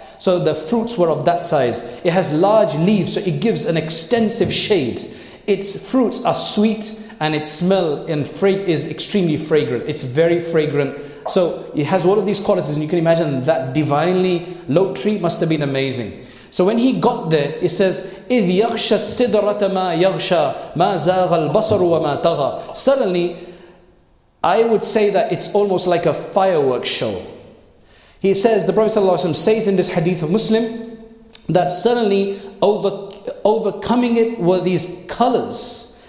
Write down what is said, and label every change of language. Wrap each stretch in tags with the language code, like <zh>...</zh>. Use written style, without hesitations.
<en>So the fruits were of that size. It has large leaves, so it gives an extensive shade. Its fruits are sweet and its smell and fruit is extremely fragrant. It's very fragrant. So it has all of these qualities, and you can imagine that divinely lote tree must have been amazing. So when he got there, it says,</en> <ar>إِذْ يَغْشَى السِّدْرَةَ مَا يَغْشَى مَا زَاغَ الْبَصَرُ وَمَا تَغَى.</ar> <en>Suddenly, I would say that it's almost like a fireworks show. He says, the Prophet ﷺ says in this hadith of Muslim, that suddenly overcoming it were these colors.</en>